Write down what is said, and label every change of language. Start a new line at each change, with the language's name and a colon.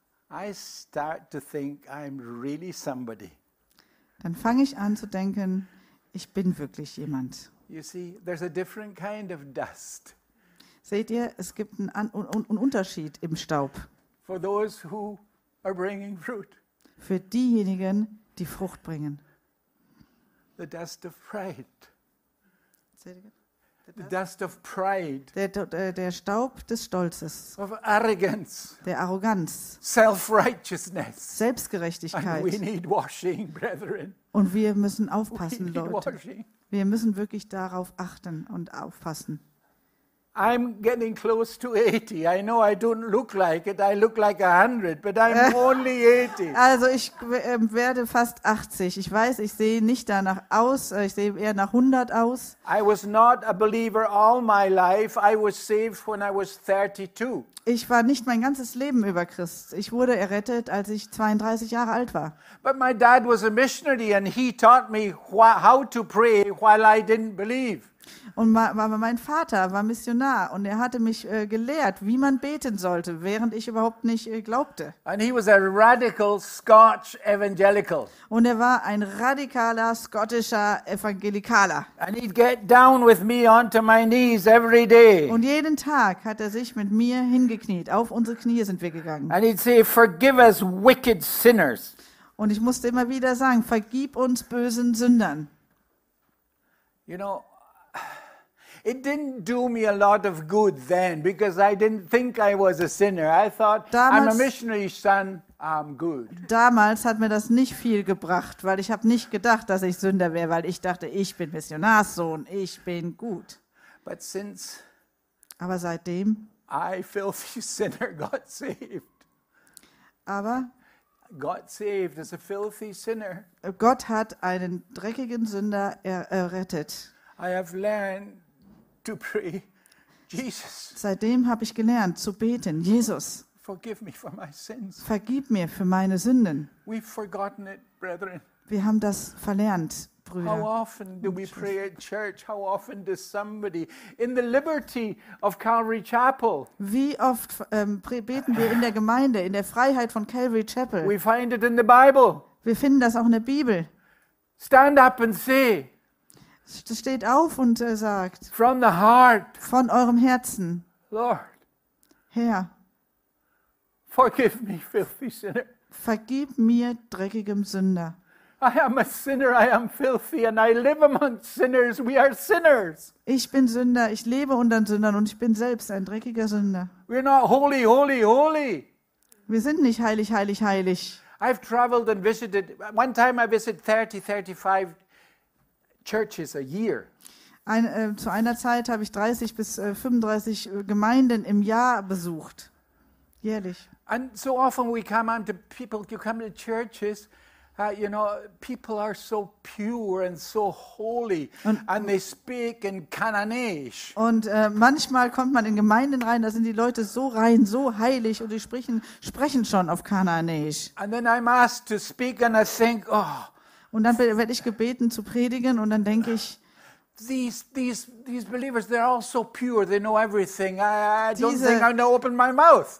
English: I start to think I'm really somebody.
German: Dann fange ich an zu denken, ich bin wirklich jemand.
English: You see, there's a different kind of dust.
German: Seht ihr, es gibt einen Unterschied im Staub.
English: For those who are bringing fruit.
German: Für diejenigen, die Frucht bringen.
English: The dust of pride. Say it again. The dust of pride.
German: Der Staub des Stolzes.
English: Of arrogance.
German: Der Arroganz.
English: Self-righteousness.
German: Selbstgerechtigkeit.
English: And we need washing, brethren.
German: Und wir müssen aufpassen, Leute. Wir müssen wirklich darauf achten und aufpassen.
English: I'm getting close to 80. I know I don't look like it. I look like 100, but I'm only 80.
German: Also ich werde fast 80. Ich weiß, ich sehe nicht danach aus. Ich sehe eher nach 100 aus.
English: I was not a believer all my life. I was saved when I was 32.
German: Ich war nicht mein ganzes Leben über Christ. Ich wurde errettet, als ich 32 Jahre alt war.
English: But my dad was a missionary and he taught me how to pray while I didn't believe.
German: Und mein Vater war Missionar und er hatte mich gelehrt, wie man beten sollte, während ich überhaupt nicht glaubte.
English: And he was a radical Scotch evangelical.
German: Und er war ein radikaler skottischer Evangelikaler.
English: And he'd get down with me onto my knees every day.
German: Und jeden Tag hat er sich mit mir hingekniet. Auf unsere Knie sind wir gegangen.
English: And he'd say, "Forgive us, wicked sinners."
German: Und ich musste immer wieder sagen, vergib uns bösen Sündern.
English: You know, it didn't do me a lot of good then, because I didn't think I was a sinner. I thought,
German: damals,
English: I'm a missionary son, I'm good.
German: Damals hat mir das nicht viel gebracht, weil ich habe nicht gedacht, dass ich Sünder wäre, weil ich dachte, ich bin Missionarssohn, ich bin gut.
English: But since
German: aber seitdem
English: I filthy sinner got saved.
German: Aber
English: God saved as a filthy sinner.
German: Gott hat einen dreckigen Sünder errettet.
English: I have learned to pray, Jesus.
German: Seitdem habe ich gelernt zu beten, Jesus.
English: Forgive me for my sins.
German: Vergib mir für meine Sünden.
English: We've forgotten it, brethren.
German: Wir haben das verlernt, Brüder.
English: How often do we pray at church? How often does somebody in the liberty of Calvary Chapel?
German: Wie oft beten wir in der Gemeinde, in der Freiheit von Calvary Chapel?
English: We find it in the Bible.
German: Wir finden das auch in der Bibel.
English: Stand up and say.
German: Steht auf und sagt,
English: from the heart,
German: von eurem Herzen,
English: Lord,
German: Herr,
English: forgive me, filthy sinner.
German: Vergib mir, dreckigem Sünder.
English: I am a sinner, I am filthy, and I live among sinners, we are sinners.
German: Ich bin Sünder, ich lebe unter den Sündern und ich bin selbst ein dreckiger Sünder.
English: We're not holy, holy, holy.
German: Wir sind nicht heilig, heilig, heilig.
English: I've traveled and visited, one time I visited 30, 35 churches a year.
German: Zu einer Zeit habe ich 30 bis 35 Gemeinden im Jahr besucht, jährlich.
English: And so often we come unto people, you come to churches, you know, people are so pure and so holy and they speak in Kananisch.
German: Und manchmal kommt man in Gemeinden rein, da sind die Leute so rein, so heilig und die sprechen schon auf Kananisch.
English: And then I'm asked to speak and I think, oh,
German: und dann werde ich gebeten zu predigen und dann denke ich,
English: These believers, they're all so pure, they know everything. I don't think I'm gonna open my mouth.